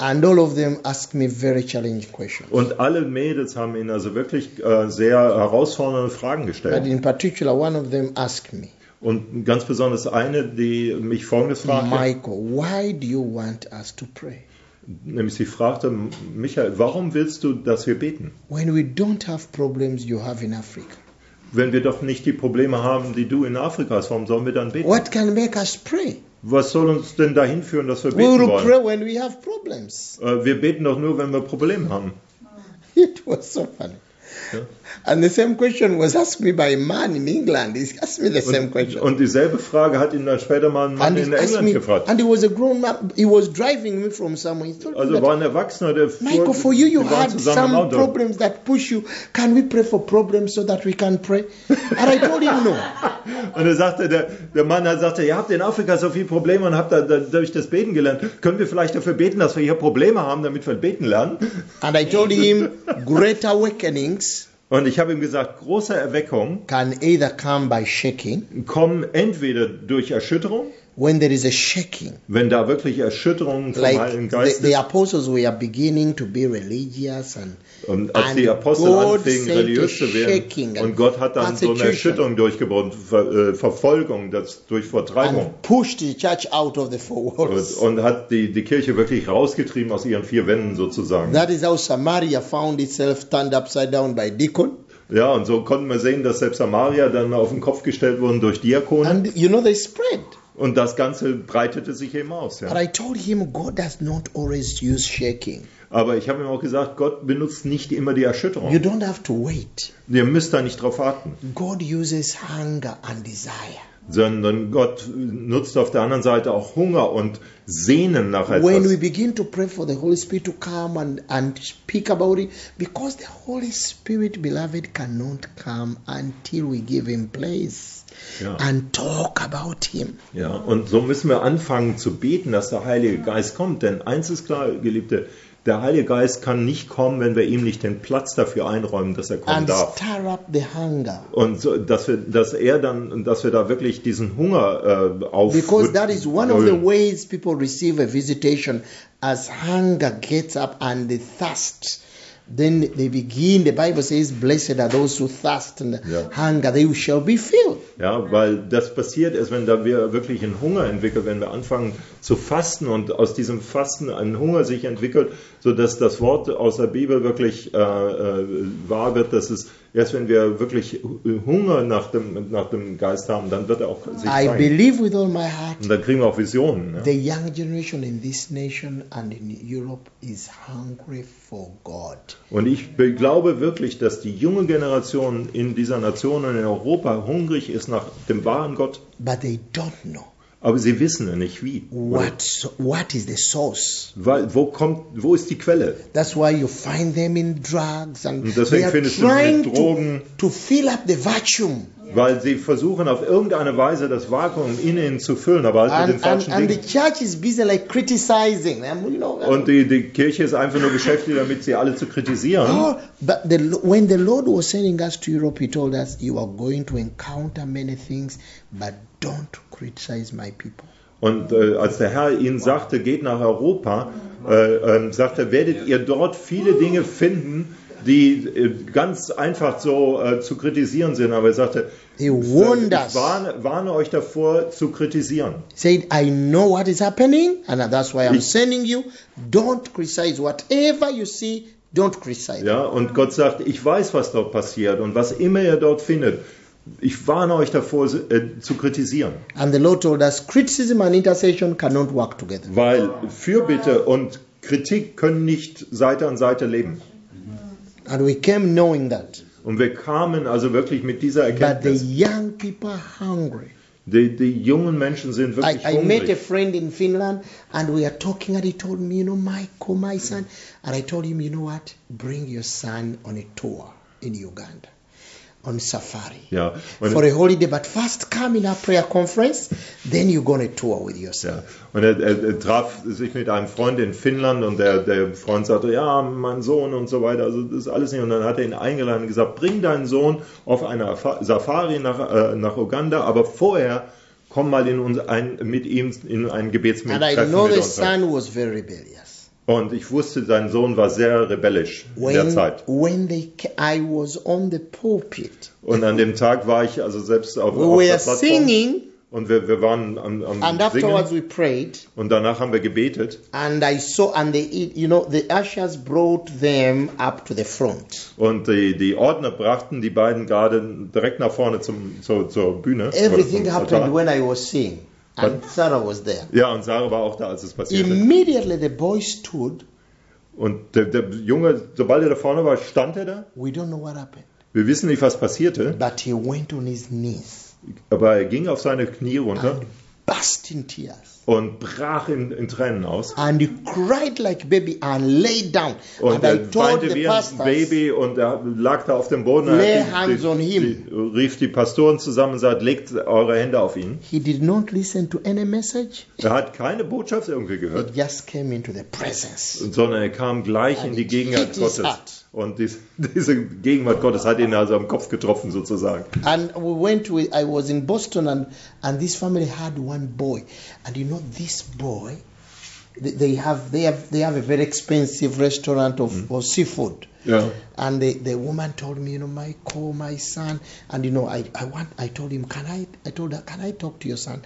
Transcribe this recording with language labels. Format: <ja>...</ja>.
<en>And all of them ask me very challenging questions.</en> <de>Und alle Mädels haben ihnen also wirklich sehr herausfordernde Fragen gestellt.</de> <en>But in particular, one of them asked me.</en> <de>Und ganz besonders eine, die mich folgendes fragte:</de> <en>Michael, why do you want us to pray?</en> <de>Nämlich sie fragte Michael, warum willst du, dass wir beten?</de> <en>When we don't have problems you have in Africa.</en> <de>Wenn wir doch nicht die Probleme haben, die du in Afrika hast, warum sollen wir dann beten?</de> <en>What can make us pray?</en> <de>Was soll uns denn dahin führen, dass wir beten wollen?</de> <en>We pray when we have problems.</en> <de>Wir beten doch nur, wenn wir Probleme haben.</de> <en>It was so funny.</en> <de>Ja.</de> <en>And the same question was asked me by a man in England. He asked me the same question.</en> <de>Und dieselbe Frage hat ihn dann später mal ein Mann in England gefragt.</de> <en>And he was a grown man. He was driving me from somewhere. He told also me</en> <de>war ein Erwachsener, der fuhr.</de> <en>Michael, for you, you had some problems that push you. Can we pray for problems so that we can pray? And I told him no.</en> <de>Und er sagte, der Mann hat gesagt, ihr habt in Afrika so viele Probleme und habt da durch das Beten gelernt. Können wir vielleicht dafür beten, dass wir hier Probleme haben, damit wir beten lernen?</de> <en>And I told him, great awakenings.</en> <de>Und ich habe ihm gesagt, große Erweckung</de> <en>can either come by shaking,</en> <de>kommen entweder durch Erschütterung,</de> <en>when there is a shaking,</en> <de>wenn da wirklich Erschütterung vom</de> <en>like</en> <de>Heiligen Geist ist.</de> <en>The apostles were beginning to be religious and,</en> <de>und als die Apostel anfingen, religiös zu werden, und Gott hat dann so eine Erschütterung durchgebrochen, Verfolgung, das durch Vertreibung.</de> <en>And pushed the church out of the four walls.</en> <de>Und hat die Kirche wirklich rausgetrieben aus ihren vier Wänden sozusagen.</de> <en>That is how Samaria found itself turned upside down by Deacon.</en> <de>Ja, und so konnten wir sehen, dass selbst Samaria dann auf den Kopf gestellt wurden durch Diakone.</de> <en>And you know, they spread.</en> <de>Und das Ganze breitete sich eben aus. Ja.</de> <en>But I told him, God does not always use shaking.</en> <de>Aber ich habe ihm auch gesagt, Gott benutzt nicht immer die Erschütterung.</de> <en>You don't have to wait.</en> <de>Ihr müsst da nicht drauf warten.</de> <en>God uses hunger and desire.</en> <de>Sondern Gott nutzt auf der anderen Seite auch Hunger und Sehnen nach etwas.</de> <en>When we begin to pray for the Holy Spirit to come and speak about it, because the Holy Spirit, beloved, cannot come until we give him place.</en> <de>Ja.</de> <en>And talk about him.</en> <de>Ja, und so müssen wir anfangen zu beten, dass der Heilige Geist kommt. Denn eins ist klar, Geliebte, der Heilige Geist kann nicht kommen, wenn wir ihm nicht den Platz dafür einräumen, dass er kommen</de> <en>and</en> <de>darf.</de> <en>Stir up the hunger.</en> <de>Und so, dass wir da wirklich diesen Hunger aufrühren.</de> <en>Because that is one of the ways people receive a visitation, as hunger gets up and the thirst. Then they begin, the Bible says, blessed are those who thirst and hunger, they shall be filled.</en> <de>Ja, weil das passiert erst, wenn da wir wirklich einen Hunger entwickeln, wenn wir anfangen zu fasten und aus diesem Fasten ein Hunger sich entwickelt, sodass das Wort aus der Bibel wirklich wahr wird, dass es erst, wenn wir wirklich Hunger nach dem Geist haben, dann wird er auch sich zeigen.</de> <en>I believe with all my heart,</en> <de>und dann kriegen wir auch Visionen. Ja.</de> <en>The young generation in this nation and in Europe is hungry for God.</en> <de>Und ich glaube wirklich, dass die junge Generation in dieser Nation und in Europa hungrig ist nach dem wahren Gott.</de> <en>But they don't know.</en> <de>Aber sie wissen ja nicht wie.</de> <en>What is the source?</en> <de>Weil, wo ist die Quelle?</de> <en>That's why you find them in drugs and</en> <de>und deswegen findest du sie in Drogen.</de> <en>To fill up the vacuum.</en> <de>Weil sie versuchen auf irgendeine Weise das Vakuum in ihnen zu füllen, aber halt mit den falschen</de> <en>and</en> <de>Dingen.</de> <en>The church is busy like criticizing.</en> <de>Und die Kirche ist einfach nur beschäftigt damit, sie alle zu kritisieren.</de> <en>Oh, but when the Lord was sending us to Europe, he told us, you are going to encounter many things, but don't criticize my people.</en> <de>Und als der Herr ihnen sagte, geht nach Europa, sagte, werdet ihr dort viele Dinge finden, die ganz einfach so zu kritisieren sind. Aber er sagte, ich warne euch davor zu kritisieren.</de> <en>Said, I know what is happening and that's why I'm sending you. Don't criticize whatever you see. Don't criticize.</en> <de>Ja, und Gott sagt, ich weiß, was dort passiert und was immer ihr dort findet. Ich warne euch davor, zu kritisieren.</de> <en>And the Lord told us, criticism and intercession cannot work together.</en> <de>Weil Fürbitte und Kritik können nicht Seite an Seite leben.</de> <en>And we came knowing that.</en> <de>Und wir kamen also wirklich mit dieser Erkenntnis.</de> <en>But the young people are hungry.</en> <de>Die jungen Menschen sind wirklich hungrig.</de> <en>I met a friend in Finland and we are talking and he told me, you know, Michael, my son. And I told him, you know what, bring your son on a tour in Uganda. On safari.</en> <de>Ja,</de> <en>for a holiday, but first come in our prayer conference, then you go on a tour with yourself.</en> <de>Ja. Und er traf sich mit einem Freund in Finnland und der Freund sagte, ja, mein Sohn und so weiter, also das ist alles nicht. Und dann hat er ihn eingeladen und gesagt, bring deinen Sohn auf eine Safari nach Uganda, aber vorher komm mal mit ihm in ein Gebetsmeeting.</de> <en>And I know the son was very rebellious.</en> <de>Und ich wusste, sein Sohn war sehr rebellisch in der Zeit.</de> <en>I was on the pulpit.</en> <de>Und an dem Tag war ich also selbst auf der Plattform.</de> <en>We were singing.</en> <de>Und wir waren am</de> <en>and afterwards</en> <de>singen.</de> <en>We prayed.</en> <de>Und danach haben wir gebetet.</de> <en>And I saw, and the, you know, the ushers brought them up to the front.</en> <de>Und die Ordner brachten die beiden gerade direkt nach vorne zur Bühne.</de> <en>Everything</en> <de>zum</de> <en>happened Altar. When I was singing. And Sarah was there.</en> <de>Ja, und Sarah war auch da, als es passierte.</de> <en>Immediately the boy stood.</en> <de>Und der Junge, sobald er da vorne war, stand er da.</de> <en>We don't know what happened.</en> <de>Wir wissen nicht, was passierte.</de> <en>But he went on his knees.</en> <de>Aber er ging auf seine Knie runter</de> <en>burst in tears.</en> <de>Und brach in Tränen aus.</de> <en>And he cried like baby and lay down.</en> <de>Und er weinte wie ein Baby und er lag da auf dem Boden.</de> <en>Lay hands on him.</en> <de>Rief die Pastoren zusammen und sagte, legt eure Hände auf ihn.</de> <en>He did not listen to any message.</en> <de>Er hat keine Botschaft irgendwie gehört.</de> <en>He just came into the presence.</en> <de>Sondern er kam gleich</de> <en>and</en> <de>in die Gegenwart Gottes.</de> <en>Heart.</en> <de>Und diese Gegenwart Gottes hat ihn also am Kopf getroffen, sozusagen.</de> <en>And we went with, I was in Boston and this family had one boy. And you know this boy, they have a very expensive restaurant of seafood. Yeah. And the woman told me, you know, Michael, my son, and you know, I told her, can I talk to your son?</en>